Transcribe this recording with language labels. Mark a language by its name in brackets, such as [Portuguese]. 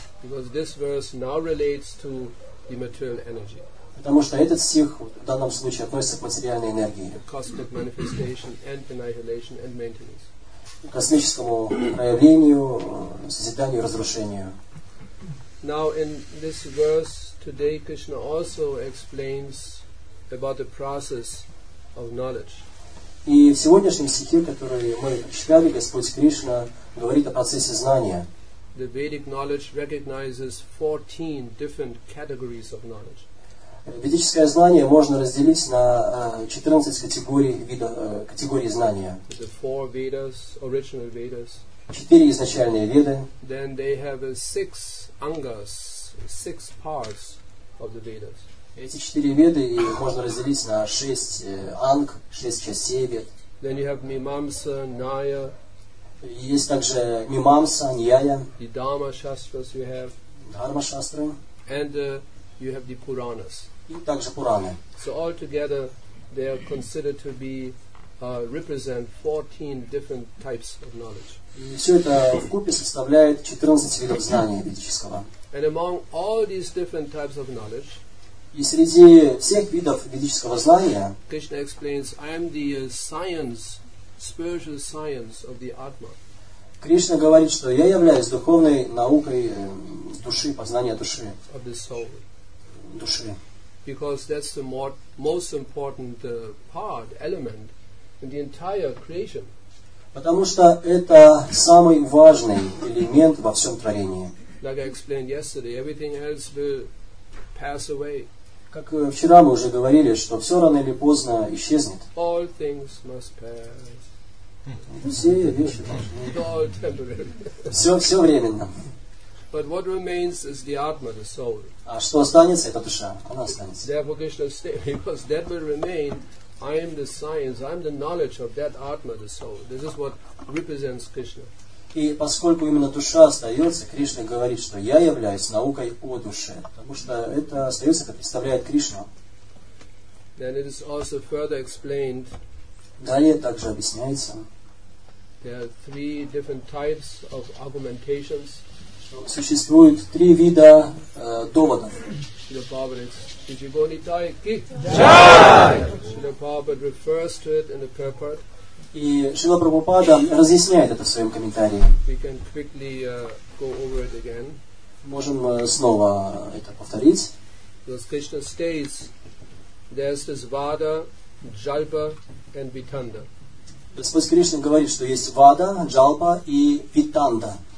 [English] Because this verse now relates to the material energy. [Russian] Потому что этот стих в данном случае относится к материальной энергии. [English] The cosmic manifestation and annihilation and maintenance. [Russian] К космическому проявлению, созиданию, разрушению. [English] Now in this verse today, Krishna also explains about the process of knowledge. [Russian] И в сегодняшнем стихе, который мы читали, Господь Кришна говорит о процессе знания. [English] The Vedic knowledge recognizes 14 different categories of knowledge. [Russian] Ведическое знание можно разделить на 14 категорий категорий знания. [English] The four Vedas, original Vedas. [Russian] Четыре изначальные веды. [English] Then they have six angas, six parts of the Vedas. [Russian] Эти четыре веды можно разделить на шесть анг, шесть частей вед. [English] Then you have Mimamsa, Naya. [Russian] Есть также Мимамса, Ньяя. [English] The Dharma Shastras you have. [Russian] Dharma Shastra. [English] And you have the Puranas. [Russian] И также Пураны. [English] So all together they are considered to be represent 14 different types of knowledge. [Russian] И все это вкупе составляет 14 видов знания ведического. [English] And among all these different types of knowledge, [Russian] и среди всех видов ведического знания, [English] Krishna explains, I am the science, spiritual science of the Atma. [Russian] Кришна говорит, что я являюсь духовной наукой души, познания души. [English] Of the soul. [Russian] Души. [English] Because that's the most important part, element in the entire creation. [Russian] Потому что это самый важный элемент во всем творении. [English] Like I explained yesterday, everything else will pass away. [Russian] Как вчера мы уже говорили, что все рано или поздно исчезнет. [English] All things must pass. [Russian] Все вещи должны. Все временно. [English] But what remains is the Atma, the soul. [Russian] А что останется, это душа. Она останется. [English] Therefore, Krishna stays, because that will remain. I am the science, I am the knowledge of that Atma, the soul. This is what represents Krishna. [Russian] И поскольку именно душа остается, Кришна говорит, что я являюсь наукой о душе. Потому что это остается, это представляет Кришна. [English] Then it is also further explained. [Russian] Далее также объясняется. [English] There are three different types of argumentations. [Russian] Существует три вида доводов. Shri Prabhupada, Jivoni Tai Ki. Jai! [English] Shri Prabhupada refers to it in the purport. [Russian] И Шрила Прабхупада разъясняет это в своем комментарии. [English] We can quickly go over it again. [Russian] Можем снова это повторить. [English] Because Krishna states, there's this Vada, Jalpa and Vitanda. [Russian] Господь Кришна говорит, что есть Вада, Джалпа и Витанда.